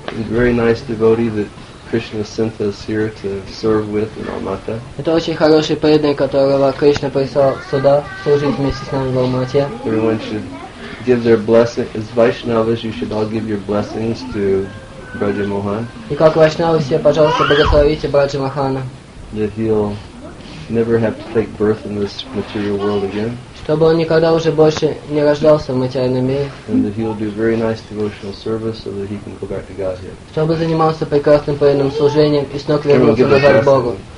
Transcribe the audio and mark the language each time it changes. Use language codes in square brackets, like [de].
[en] Very nice devotee that Krishna sent us here to serve with in Almaty. [ru] Это очень хороший преданный, которого Кришна прислал сюда служить вместе с нами в Алмате. [en] Everyone should give their blessing. As Vaishnavas, you should all give your blessings to Braja Mohan. [ru] И как Вайшнавы все, пожалуйста, благословите Браджа Мохана. [en] That he'll never have to take birth in this material world again. [ru] Чтобы он никогда уже больше не рождался в материальном мире. [en] And that he'll do very nice devotional service so that he can go back to Godhead. [ru] Чтобы занимался прекрасным преданным служением и снова вернуться назад к Богу.